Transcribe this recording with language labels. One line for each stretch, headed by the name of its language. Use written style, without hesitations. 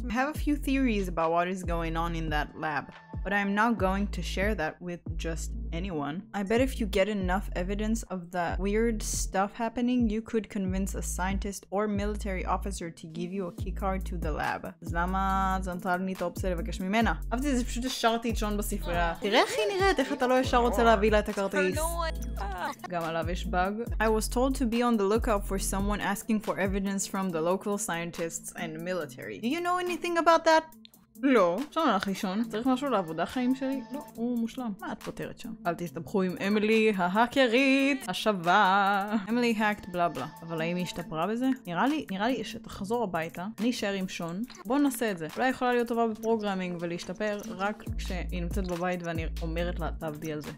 English: I have a few theories about what is going on in that lab. But I'm not going to share that with just anyone. I bet if you get enough evidence of the weird stuff happening, you could convince a scientist or military officer to give you a keycard to the lab.
Hebrew: אז למה זה נתן לי את האופציה לבקש ממנה? אהבתי את זה, פשוט השארתי את שון בספרייה. תראה איך היא נראית, איך אתה לא ישר רוצה להביא לה את הכרטיס. גם עליו יש באג.
English: I was told to be on the lookout for someone asking for evidence from the local scientists and military. Do you know anything about that?
Hebrew: לא, שם הלך לישון. צריך משהו לעבודה חיים שלי? לא, הוא מושלם. מה את פותרת שם? אל תסתבכו עם אמילי ההאקרית השווה. אמילי האקט בלה בלה. אבל האם היא השתפרה בזה? נראה לי שתחזור הביתה, אני אשאר עם שון. בוא נעשה את זה. אולי יכולה להיות טובה בפרוגרמינג ולהשתפר רק כשהיא נמצאת בבית ואני אומרת לה תעבדי על זה.